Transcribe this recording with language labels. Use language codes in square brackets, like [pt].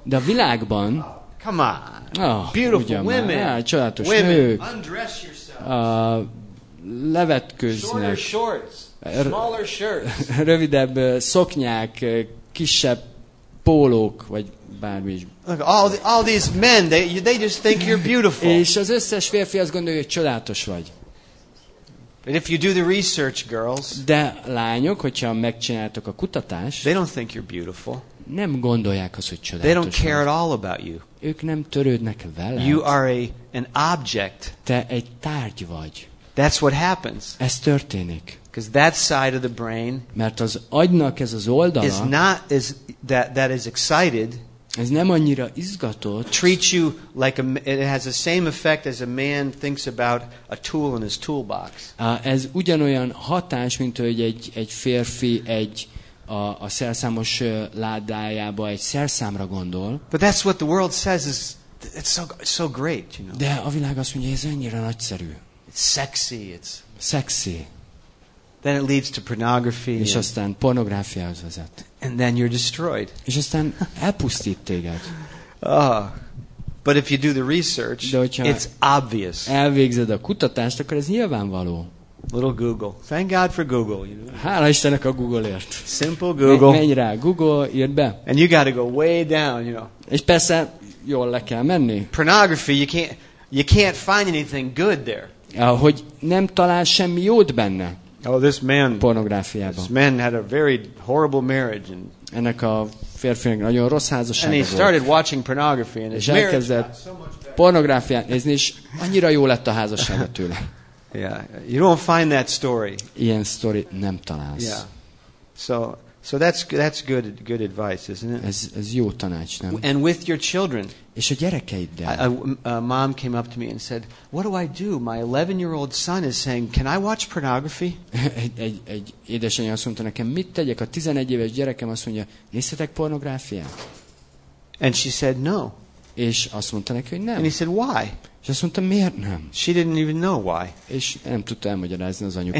[hu] de a világban, [en] come on, beautiful women, [hu] csodálatos nők, [en] undress yourself, [hu] levetkőznek, [en] shorts, smaller shirts, [hu] rövidebb szoknyák, kisebb pólók, vagy bármi is. [en] Look, all these men, they just think you're beautiful. [hu] És az összes férfi azt gondolja, hogy csodálatos vagy. [en] But if you do the research, girls, [hu] de lányok, hogyha megcsináltok a kutatást, [en] they don't think you're beautiful. [hu] Nem gondolják azt, hogy csodálatos. [en] They don't care at all about you. [hu] Ők nem törődnek veled. [en] You are an object. [hu] Te egy tárgy vagy. [en] That's what happens. [hu] Ez történik. [en] Because that side of the brain, [hu] mert az agynak ez az oldala, [en] is excited. [hu] Ez nem annyira izgatott. [en] Treats you like it has the same effect as a man thinks about a tool in his toolbox. [hu] Ez ugyanolyan hatás, mint hogy egy férfi egy a szerszámos ládájába egy szerszámra gondol. [en] But that's what the world says is it's so great, you know. [hu] De a világ azt mondja, ez annyira nagyszerű. [en] It's sexy. Then it leads to pornography. [hu] És aztán pornográfiához vezet. [en] And then you're destroyed. [hu] És aztán elpusztít téged. [en] But if you do the research, it's obvious. [hu] Elvégzed a kutatást, akkor ez nyilvánvaló. [en] Little Google. Thank God for Google. You know? [hu] Hála Istennek a Google-ért. [en] Simple Google. [hu] Menj rá, Google, írd be. [en] And you gotta go way down, you know. [hu] És persze, jól le kell menni. [en] Pornography, you can't find anything good there. [hu] Hogy nem talál semmi jót benne. [en] Oh, this man. [hu] Pornográfiában. [en] This man had a very horrible marriage and. [hu] Ennek a férfinek nagyon rossz házassága volt. [en] And he started watching pornography and his marriage got so much better. [hu] Pornográfiát nézni, és annyira jó lett a házassága tőle. [en] Yeah, you don't find that story. [hu] Ilyen story nem találsz. [en] Yeah, so that's good advice, isn't it? [hu] Ez jó tanács, nem? [en] And with your children. [hu] És a gyerekeiddel. [en] A mom came up to me and said, "What do I do? My 11-year-old son is saying, 'Can I watch pornography?'" [hu] Egy édesanyja azt mondta nekem, mit tegyek? A 11 éves gyerekem azt mondja, nézhetek pornográfiát? [en] And she said, "No." [hu] És azt mondta neki, hogy nem. [en] And he said, "Why?" [hu] És azt mondta, miért nem? [en] She didn't even know why. [hu] És nem tudta elmagyarázni az anyuka,